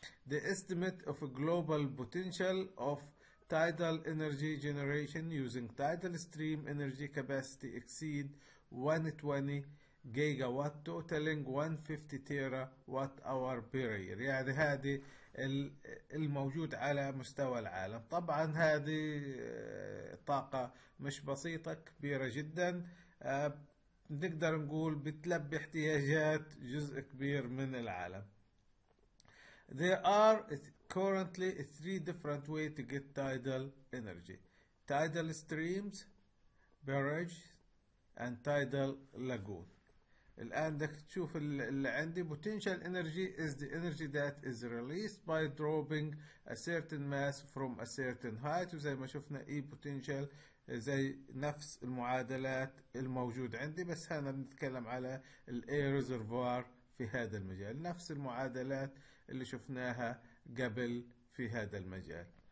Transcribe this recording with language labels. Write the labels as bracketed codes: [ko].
[en] The estimate of a global potential of tidal energy generation using tidal stream energy capacity exceed 120 gigawatt totalling 150 terawatt hour per year, [ar] يعني هذه الموجود على مستوى العالم. طبعا هذه طاقة مش بسيطة، كبيرة جدا. نقدر نقول بتلبي احتياجات جزء كبير من العالم. [en] There are currently three different ways to get tidal energy. Tidal streams, barrage, and tidal lagoon. [ar] الآن بدك تشوف اللي عندي. [en] Potential energy is the energy that is released by dropping a certain mass from a certain height. [ar] وزي ما شفنا E potential زي نفس المعادلات الموجود عندي، بس هنا بنتكلم على الـ air reservoir في هذا المجال، نفس المعادلات اللي شفناها قبل في هذا المجال.